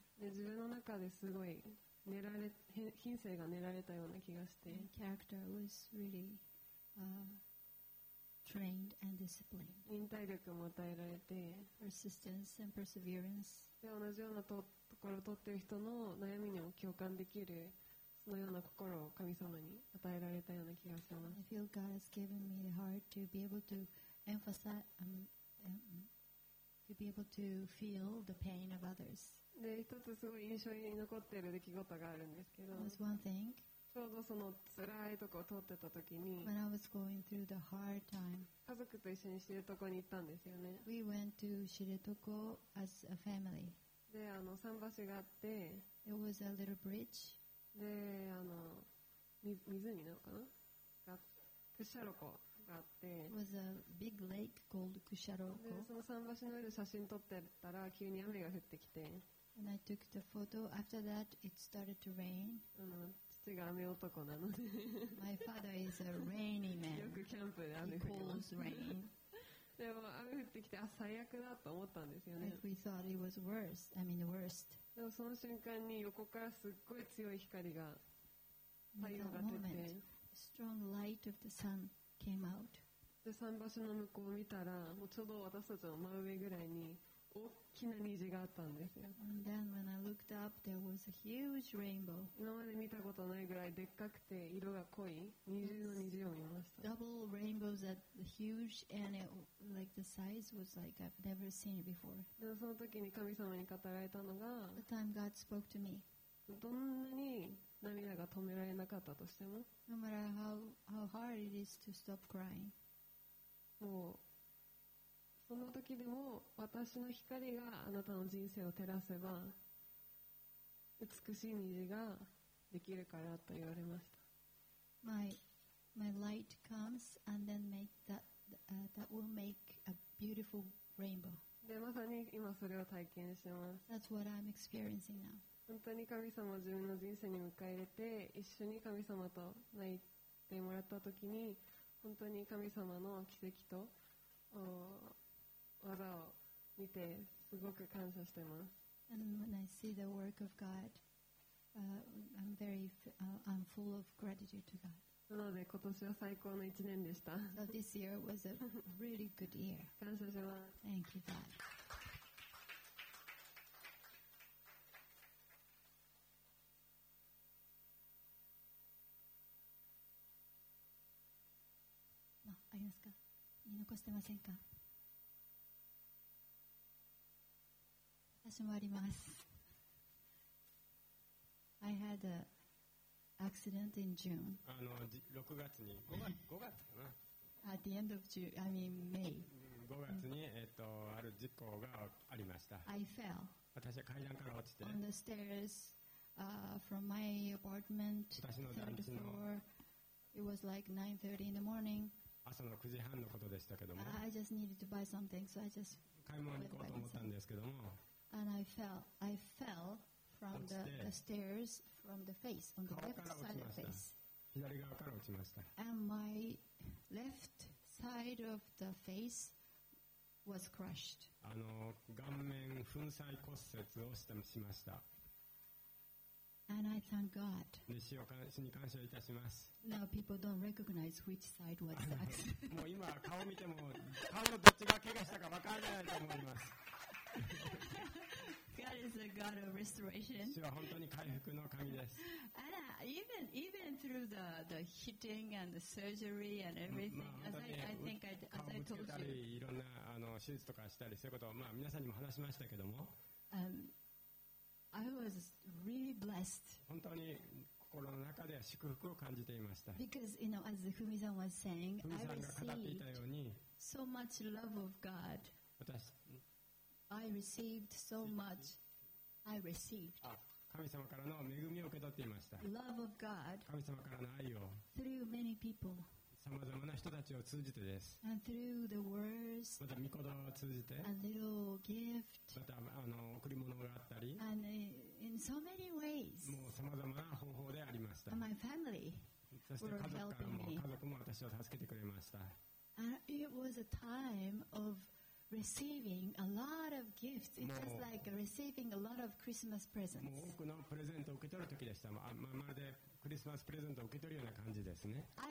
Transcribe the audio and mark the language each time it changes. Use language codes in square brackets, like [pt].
[ja] 自分の中ですごい品性が練られたような気がして。 [en] And character was really, trained and disciplined. [ja] 忍耐力も与えられて。 [en] Persistence and perseverance. [ja] で、同じようなところを取っている人の悩みにも共感できる、そのような心を神様に与えられたような気がします。 [en] I feel God has given me the heart to be able to emphasize, to be able to feel the pain of others. [ja] で、一つすごい印象に残っている出来事があるんですけど、 [en] was one thing. [ja] ちょうどその辛いとこを通ってた時に、 [en] when I was going through the hard time, [ja] 家族と一緒に知床に行ったんですよね。 [en] We went to 知床 as a family. [ja] で、桟橋があって、 [en] it was a little bridge. [ja] で、湖なのかな？屈斜路湖。It [en] was a big lake called Kusharoko. [ja] その桟橋の上で写真撮ってたら急に雨が降ってきて。 [en] And I took the photo. After that, it started to rain. [ja] 父が雨男なので。 [en] My father is a rainy man. [ja] よくキャンプで雨降ります。 [en] He calls rain. [ja] でも雨降ってきて、あ、最悪だと思ったんですよね。 [en] Like we thought it was worst. I mean the worst. [ja] でもその瞬間に横からすっごい強い光が太陽が出て。 [en] That moment, strong light of the sun. Came out. [ja] で、桟橋の向こうを見たら、もうちょうど私たちの真上ぐらいに大きな虹があったんですよ。 [en] And then when I looked up, there was a huge rainbow. [ja] 今まで見たことないぐらいでっかくて色が濃い虹の虹を見ました。 [en] Double rainbows at the huge and it, like the size was like I've never seen it before. [ja] で、その時に神様に語られたのが、 [en] The time God spoke to me. [ja] どんなに涙が止められなかったとしても、 [en] No matter how hard it is to stop crying, [ja] もうその時でも私の光があなたの人生を照らせば美しい虹ができるからと言われました。 [en] My light comes and then make that will make a beautiful rainbow. [ja] で、まさに今それを体験します。 [en] That's what I'm experiencing now. [ja] 本当に神様を自分の人生に迎え入れて一緒に神様と泣いてもらった時に本当に神様の奇跡と技を見てすごく感謝してます。 [en] And when I see the work of God, I'm very I'm full of gratitude to God. [ja] なので今年は最高の1年でした。 [en] So this year was a really good year. [ja] 感謝します。 [en] Thank you, God. [ja] 残してませんか。私もあります。 [en] I had an accident in June. [ja] 6月に5月かな。 [en] At the end of June, I mean May. [ja] 5月に、ある事故がありました。 [en] I fell. [ja] 私は階段から落ちて。 [en] On the stairs, from my apartment. [ja] 私の団地の。 [en] It was like 9:30 in the morning. [ja] 朝の9時半のことでしたけども、 [en] I just needed to buy something, so I just [ja] 買い物に行こうと思ったんですけども、 [en] And I fell from the stairs from the face on the left side of the face. [ja] 左側から落ちました。 [en] And my left side of the face was crushed. [ja] 顔面粉砕骨折をしてしました。 [en] And I thank God. [ja] 死に感謝いたします。 [en] Now people don't recognize which side was the accident. [ja] もう今顔見ても顔のどっちが怪我したか分からないと思います。 [en] God is a God of restoration. [ja] 死は本当に回復の神です。 [en] And even through the hitting and the surgery and everything, [ja] まあ、 [en] as I think I as I told you. [ja] いろんな手術とかしたりそういうことをまあ皆さんにも話しましたけども。 [en] I was really blessed. [ja] 本当に心の中では祝福を感じていました。 [en] Because, you know, as Fumi-san was saying, [ja] Fumi-san が語っていたように、 [en] so much love of God. I received. [ja] 神様からの恵みを受け取っていました。 [en] Love of God. [ja] 神様からの愛を。 [en] Through many people. [ja] さまざまな人たちを通じてです。 [en] And through the words, [ja] また御言葉を通じて、 [en] a little gift, [ja] また贈り物があったり、 [en] and in so many ways, [ja] もうさまざまな方法でありました。 [en] And my family, [ja] そして家族からも、家族も私を助けてくれました。 [en] And it was a time of receiving a lot of gifts. It's just like receiving a lot of Christmas presents. [ja] もう多くのプレゼントを受け取る時でした。まるでクリスマスプレゼントを受け取るような感じですね。